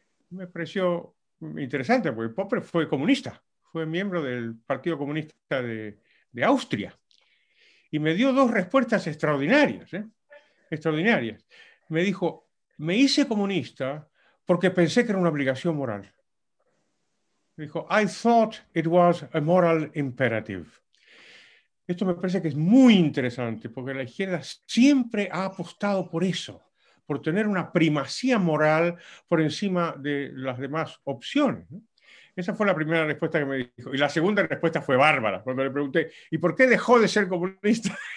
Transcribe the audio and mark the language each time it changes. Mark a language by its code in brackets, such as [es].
[es] Me pareció interesante, porque Popper fue comunista, fue miembro del Partido Comunista de Austria. Y me dio dos respuestas extraordinarias, extraordinarias. Me dijo, me hice comunista porque pensé que era una obligación moral. Dijo, [en] I thought it was a moral imperative. [es] Esto me parece que es muy interesante porque la izquierda siempre ha apostado por eso, por tener una primacía moral por encima de las demás opciones. Esa fue la primera respuesta que me dijo. Y la segunda respuesta fue bárbara, cuando le pregunté, ¿y por qué dejó de ser comunista?